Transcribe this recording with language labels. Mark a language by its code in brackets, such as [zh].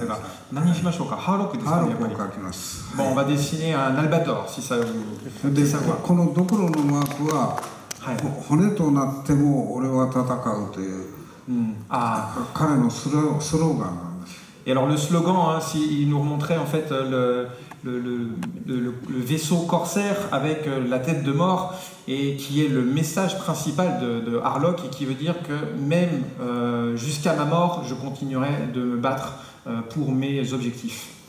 [ja] ありがとうございました。これはハーロックですね。ハーロックですね。はい。普段で第2期ですけれども、じゃあこれからですね、隣の机に座っていただいて、ちょっと絵を描いていただければと思いますが。何にしましょうか。ハーロックですね。ハーロックを描きます。 [fr] Bon, on va dessiner un albator, si ça vous fait savoir. [ja] このドクロのマークは骨となっても俺は戦うという、彼のスローガンなんです。 [fr] Et alors le slogan, hein, s'il nous remontrait en fait le vaisseau corsaire avec la tête de mort, et qui est le message principal de Harlock, et qui veut dire que même jusqu'à ma mort, je continuerai de me battre pour mes objectifs.